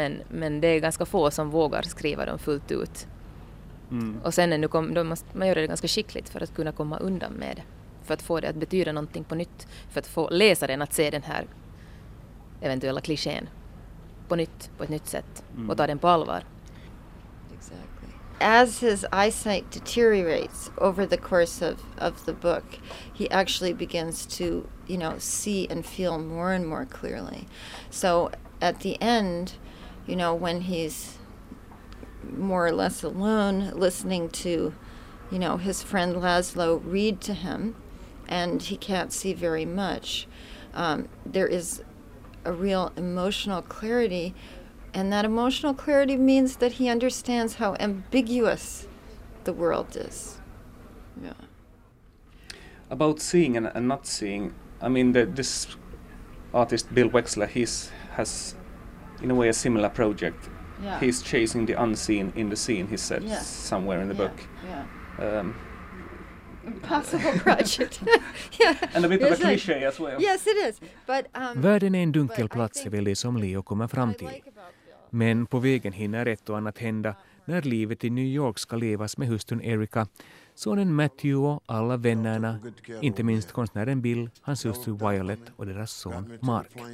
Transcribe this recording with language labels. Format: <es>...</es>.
<sv>Men det är ganska få som vågar skriva dem fullt ut. Mm. Och sen när man gör det ganska skickligt för att kunna komma undan med det. För att få det att betyda någonting på nytt. För att få läsaren att se den här eventuella klichén på nytt, på ett nytt sätt. Mm. Och ta den på allvar.</sv> <en>Exactly. As his eyesight deteriorates over the course of the book, he actually begins to, you know, see and feel more and more clearly. So at the end, you know, when he's more or less alone, listening to, you know, his friend Laszlo read to him, and he can't see very much, there is a real emotional clarity. And that emotional clarity means that he understands how ambiguous the world is. Yeah. About seeing and not seeing, I mean, this artist Bill Wexler, has in a way a similar project. Yeah. He's chasing the unseen in the scene, he said, yeah, somewhere in the book. Impossible project. And a bit of a cliché as well. Yes, it is.</en> <sv>Världen är en dunkel plats, är väl det som Leo kommer fram till. Men på vägen hinner ett och annat hända när livet i New York ska levas med hustrun Erica, sonen Matthew och alla vännerna, inte minst konstnären Bill, hans hustru Violet och deras son Mark.</sv>